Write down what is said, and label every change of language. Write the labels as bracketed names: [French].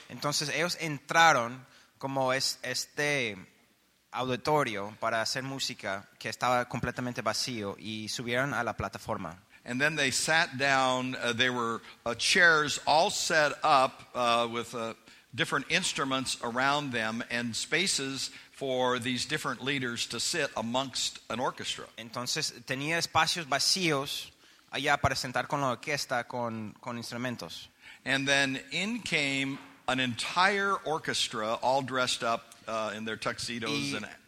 [Spanish] Entonces ellos entraron como este auditorio para hacer música que estaba completamente vacío y subieron a la plataforma. [English] And then they sat down, there were chairs all set up with different instruments around them and spaces for these different leaders to sit amongst an orchestra. [Spanish] Entonces tenía espacios vacíos allá para sentar con la orquesta con instrumentos. [English] And then in came an entire orchestra all dressed up in their tuxedos and gowns.